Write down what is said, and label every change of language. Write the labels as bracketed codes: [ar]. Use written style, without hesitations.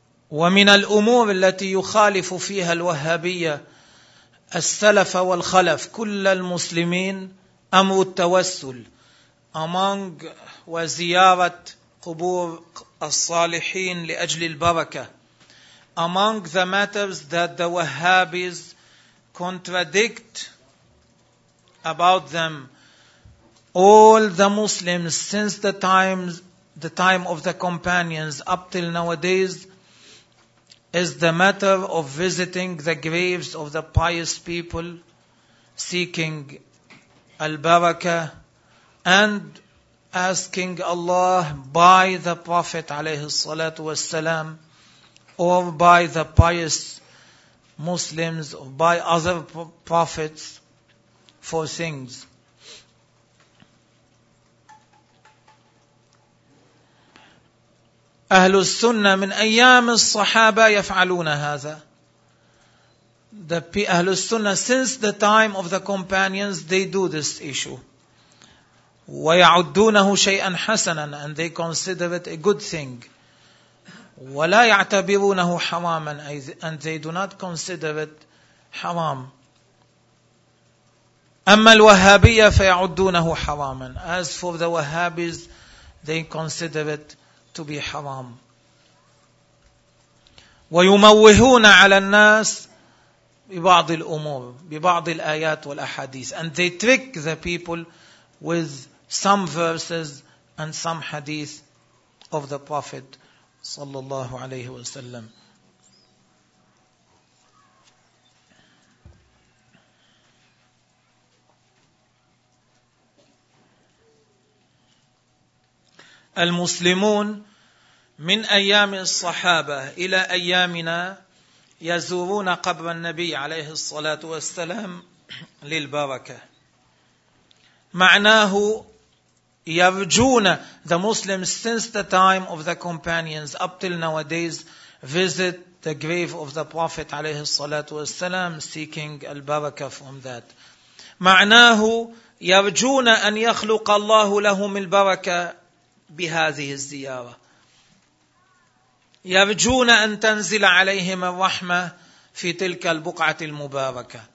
[ar] ومن الأمور التي يخالف فيها الوهابية السلف والخلف كل المسلمين أمر التوسل. [en] Among [ar] وزيارة قبور الصالحين لأجل البركة. [en] Among the matters that the Wahhabis contradict about them, all the Muslims since the time of the companions up till nowadays, is the matter of visiting the graves of the pious people seeking al-baraka and asking Allah by the Prophet [ar] alayhi salatu wassalam [en] or by the pious Muslims or by other prophets for things. [ar] أهل السنة من أيام الصحابة يفعلون هذا. أهل السنة [en] since the time of the companions they do this issue. [ar] ويعدونه شيئا حسنا [en] and they consider it a good thing. [ar] ولا يعتبرونه حراما [en] and they do not consider it حرام. [ar] أما الوهابية فيعدونه حراما. [en] As for the Wahhabis, they consider it to be haram. [ar] ويموهون على الناس ببعض الأمور ببعض الآيات والأحاديث [en] and they trick the people with some verses and some hadith of the Prophet [ar] صلى الله عليه وسلم. المسلمون من أيام الصحابة إلى أيامنا يزورون قبر النبي عليه الصلاة والسلام للبركة. معناه يرجون. [en] The Muslims since the time of the companions up till nowadays visit the grave of the Prophet [ar] عليه الصلاة والسلام [en] seeking البركة from that. [ar] معناه يرجون أن يخلق الله لهم البركة بهذه الزيارة. يرجون أن تنزل عليهم الرحمة في تلك البقعة المباركة.